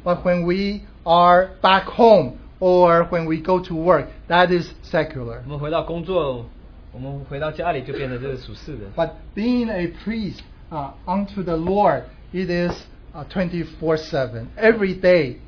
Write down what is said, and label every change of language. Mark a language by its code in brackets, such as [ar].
[en] but when we are back home, or when we go to work, that is secular. [zh] 我们回到工作, 我们回到家里就变成这是属世的, [en] but being a priest unto the Lord, it is 24/7, every day.